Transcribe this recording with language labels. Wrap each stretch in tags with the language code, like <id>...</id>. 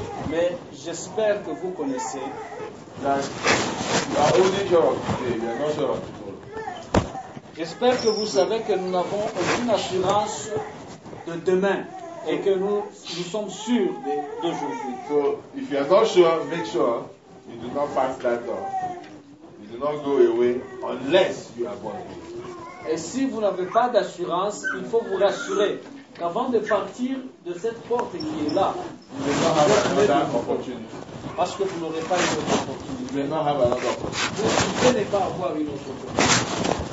<fr>Mais j'espère que vous connaissez.</fr> <en>That you are only sure of today. You are not sure of tomorrow.</en> <fr>J'espère que vous savez que nous n'avons aucune assurance de demain et que nous sommes sûrs d'aujourd'hui.</fr> <en>So if you are not sure, make sure you do not pass that door. You do not go away unless you are born again.</en> <fr>Et si vous n'avez pas d'assurance, il faut vous rassurer qu'avant de partir de cette porte qui est là,</fr> <en>you will not have another opportunity.</en> <fr>Parce que vous n'aurez pas une autre opportunité.</fr> <en>You will not have another opportunity.</en> <fr>Vous ne pouvez pas avoir une autre opportunité.</fr>